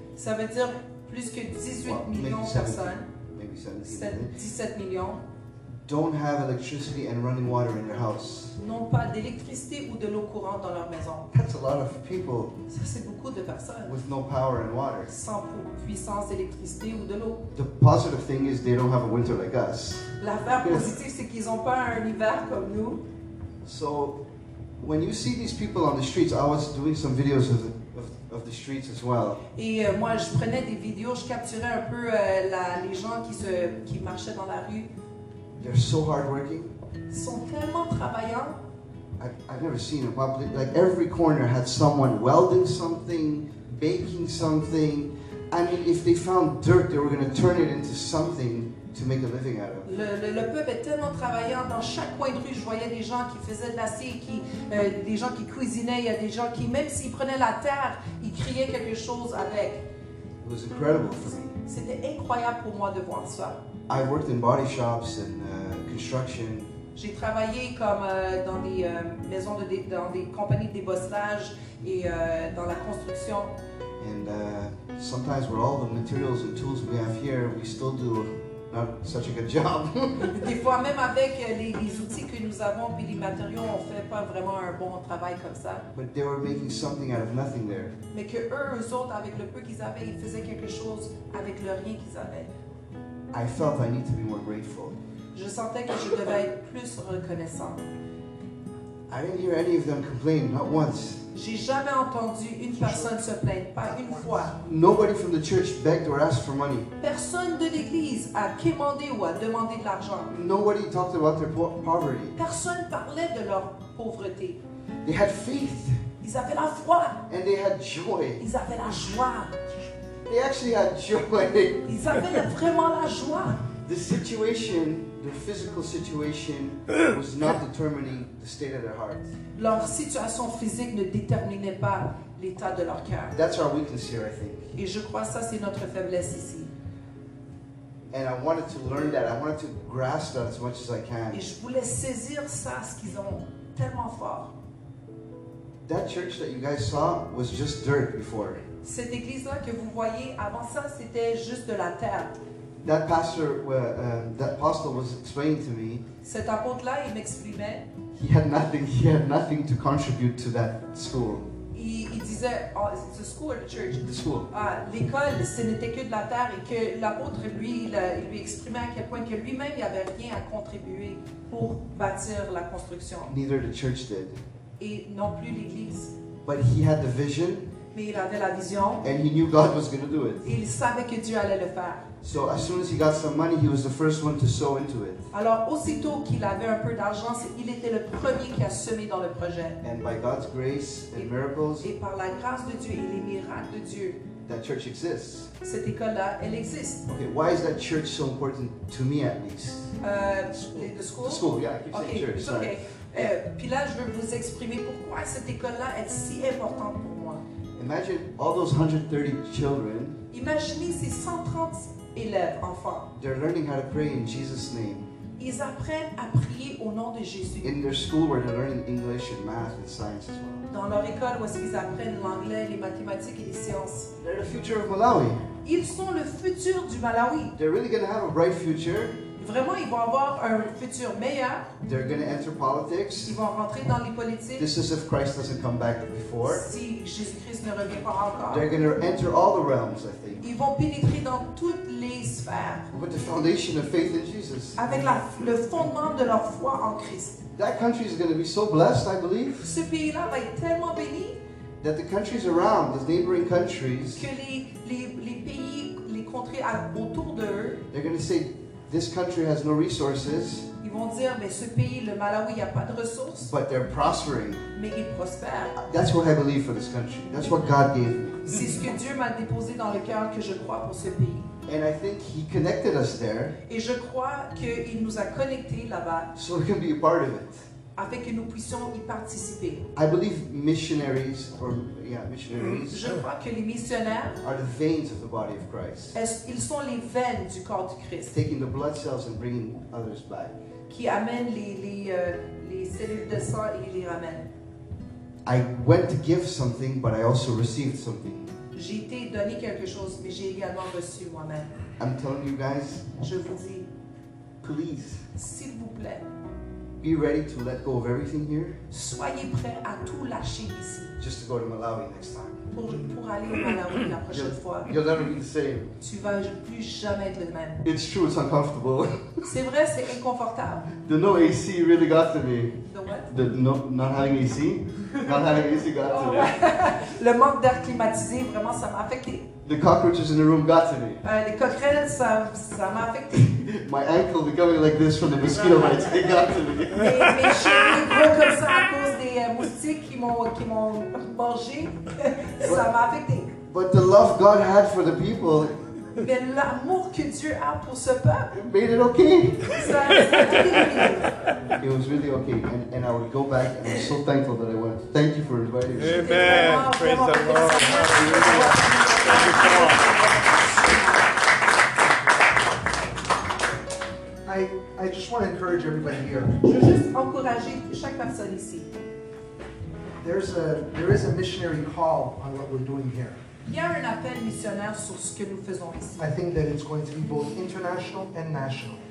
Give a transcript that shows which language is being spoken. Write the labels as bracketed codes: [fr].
[fr] Ça veut dire plus que 18 millions de personnes. [en] Maybe 17 millions. Don't have electricity and running water in their house. [fr] N'ont pas d'électricité ou de l'eau courante dans leur maison. [en] That's a lot of people. [fr] Ça, c'est beaucoup de personnes. [en] With no power and water. [fr] Sans puissance d'électricité ou de l'eau. [en] The positive thing is they don't have a winter like us. [fr] L'affaire positive, c'est qu'ils n'ont pas un hiver comme nous. [en] So, when you see these people on the streets, I was doing some videos of the streets as well. [fr] Et moi, je prenais des vidéos, je capturais un peu les gens qui marchaient dans la rue. [en] They're so hardworking. [fr] Ils sont tellement travaillants. [en] I've never seen a public, like every corner had someone welding something, baking something. I mean, if they found dirt, they were going to turn it into something to make a living out of. [fr] Le peuple est tellement travaillant. Dans chaque coin de rue, je voyais des gens qui faisaient de l'acier, des gens qui cuisinaient. Il y a des gens qui, même s'ils prenaient la terre, ils criaient quelque chose avec. [en] It was incredible for me. [fr] C'était incroyable pour moi de voir ça. [en] I worked in body shops and construction. [fr] J'ai travaillé comme dans des maisons dans des compagnies de débossage et dans la construction. [en] And sometimes with all the materials and tools we have here, we still do not such a good job. [fr] Des fois même avec les outils que nous avons puis les matériaux, on fait pas vraiment un bon travail comme ça. [en] But they were making something out of nothing there. [fr] Mais que eux autres, avec le peu qu'ils avaient, ils faisaient quelque chose avec le rien qu'ils avaient. [en] I felt I need to be more grateful. [fr] Je sentais que je devais être plus reconnaissant. [en] I didn't hear any of them complain, not once. [fr] J'ai jamais entendu une personne se plaindre, pas une fois. [en] Nobody from the church begged or asked for money. [fr] Personne de l'église a quémandé ou a demandé de l'argent. [en] Nobody talked about their poverty. [fr] Personne parlait de leur pauvreté. [en] They had faith. [fr] Ils avaient la foi. [en] And they had joy. [fr] Ils avaient la joie. [en] They actually had joy. [fr] Ils avaient vraiment la joie. [en] The situation, the physical situation, was not determining the state of their heart. [fr] Leur situation physique ne déterminait pas l'état de leur cœur. [en] That's our weakness here, I think. [fr] Et je crois ça, c'est notre faiblesse ici. [en] And I wanted to learn that. I wanted to grasp that as much as I can. [fr] Et je voulais saisir ça, ce qu'ils ont tellement fort. [en] That church that you guys saw was just dirt before. [fr] Cette église-là que vous voyez, avant ça, c'était juste de la terre. [en] that pastor, that apostle was explaining to me, [fr] cet apôtre-là, il m'exprimait, [en] he had nothing to contribute to that school. [fr] Il disait, oh, [en] the school, the church. The school. [fr] Ah, l'école, ce n'était que de la terre, et que l'apôtre lui, il lui exprimait à quel point que lui-même, il avait rien à contribuer pour bâtir la construction. [en] Neither the church did. [fr] Et non plus l'église. [en] But he had the vision. [fr] Mais il avait la vision. [en] And he knew God was going to do it. [fr] Et il savait que Dieu allait le faire. [en] So as soon as he got some money, he was the first one to sow into it. [fr] Alors aussitôt qu'il avait un peu d'argent, il était le premier qui a semé dans le projet. [en] And by God's grace and miracles, [fr] et par la grâce de Dieu et les miracles de Dieu, [en] that church exists. [fr] Cette école-là, elle existe. [en] Okay, why is that church so important to me at least? The school. The school, yeah. I keep saying church. Sorry. Okay. [fr] Puis là, je veux vous exprimer pourquoi cette école-là est si importante pour moi. [en] Imagine all those 130 children. [fr] Imaginez ces 130 élèves, enfants. [en] They're learning how to pray in Jesus' name. [fr] Ils apprennent à prier au nom de Jésus. [en] In their school where they're learning English and math and science as well. [fr] Dans leur école où est-ce qu'ils apprennent l'anglais, les mathématiques et les sciences. [en] They're the future of Malawi. [fr] Ils sont le futur du Malawi. [en] They're really going to have a bright future. [fr] Vraiment, ils vont avoir un futur meilleur. [en] They're going to enter politics. [fr] Ils vont rentrer dans les politiques. [en] This is if Christ doesn't come back before. [fr] Si Jésus-Christ ne revient pas encore. [en] They're going to enter all the realms, I think. [fr] Ils vont pénétrer dans toutes les sphères. [en] With the foundation of faith in Jesus. [fr] Avec le fondement de leur foi en Christ. [en] That country is going to be so blessed, I believe. [fr] Ce pays-là va être tellement béni. [en] That the countries around, the neighboring countries. [fr] Que les pays, les contrées autour d'eux. [en] They're going to say, this country has no resources. [fr] Ils vont dire, mais ce pays, le Malawi, il y a pas de ressources. [en] But they're prospering. [fr] Mais ils prospèrent. [en] That's what I believe for this country. That's what God gave me. [fr] C'est ce que Dieu m'a déposé dans le cœur que je crois pour ce pays. [en] And I think He connected us there. [fr] Et je crois que Il nous a connecté là-bas. [en] So we can be a part of it. [fr] Afin que nous puissions y participer. [en] I believe missionaries, missionaries. [fr] Je crois que les missionnaires. [en] Are the veins of the body of Christ. [fr] Ils sont les veines du corps du Christ. [en] Taking the blood cells and bringing others back. [fr] Qui amène les cellules de sang et les ramène. [en] I went to give something, but I also received something. [fr] J'ai été donné quelque chose, mais j'ai également reçu moi-même. [en] I'm telling you guys. [fr] Je vous dis. [en] Please. [fr] S'il vous plaît. [en] Be ready to let go of everything here. [fr] Soyez prêt à tout lâcher ici. [en] Just to go to Malawi next time. [fr] Pour aller au Malawi la prochaine fois. [en] You'll never be the same. [fr] Tu vas plus jamais être le même. [en] It's true, it's uncomfortable. [fr] C'est vrai, c'est inconfortable. [en] The no AC really got to me. The what? The no, not having AC. Not having AC got to me. [fr] Le manque d'air climatisé, vraiment, ça m'a affecté. [en] The cockroaches in the room got to me. [fr] Les coquerelles, ça m'a affecté. [en] My ankle becoming like this from the mosquito bites, it got to me. [fr] Mes chiens gros comme ça à cause des moustiques qui m'ont mangé, ça m'a affecté. [en] But the love God had for the people. [fr] Mais l'amour que Dieu a pour ce peuple. [en] Made it okay. [fr] Ça [en] it was really okay, and I would go back, and I'm so thankful that I went. Thank you for inviting me. Amen. Praise the Lord. I just want to encourage everybody here. [fr] Je veux juste encourager chaque personne ici. [en] There is a missionary call on what we're doing here. [fr] Il y a un appel missionnaire sur ce que nous faisons ici. [en] I think that it's going to be both international and national.